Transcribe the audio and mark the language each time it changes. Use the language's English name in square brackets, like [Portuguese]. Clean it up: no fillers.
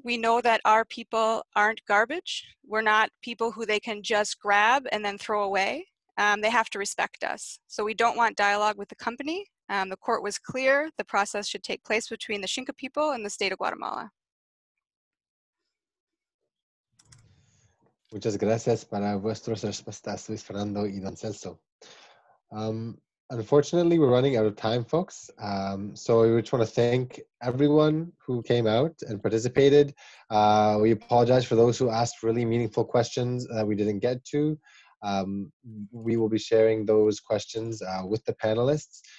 [English] We know that our people aren't garbage. We're not people who they can just grab and then throw away. They have to respect us. So we don't want dialogue with the company. The court was clear, the process should take place between the Xinka people and the state of Guatemala. [Spanish] Muchas gracias para vuestras respuestas, Luis Fernando y Don Celso. [English] Unfortunately, we're running out of time, folks. So we just want to thank everyone who came out and participated. We apologize for those who asked really meaningful questions that we didn't get to. We will be sharing those questions with the panelists.